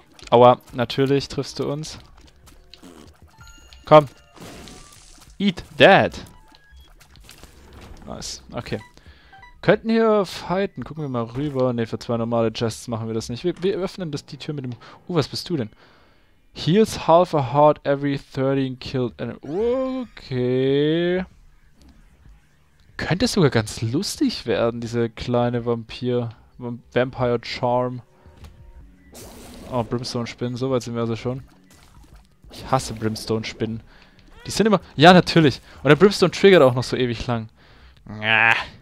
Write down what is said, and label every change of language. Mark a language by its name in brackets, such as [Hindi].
[German] Aua, natürlich triffst du uns. Komm. [English] Eat that. Nice, okay. [German] Könnten wir fighten? Gucken wir mal rüber. Ne, für 2 normale Chests machen wir das nicht. Wir öffnen das, die Tür mit dem... was bist du denn? [English] Heals half a heart every 13 killed enemy. Okay. [German] Könnte sogar ganz lustig werden, diese kleine Vampir... Vampire Charm. Oh, Brimstone-Spinnen. So weit sind wir also schon. Ich hasse Brimstone-Spinnen. Die sind immer... Ja, natürlich. Und der Brimstone triggert auch noch so ewig lang. Nah.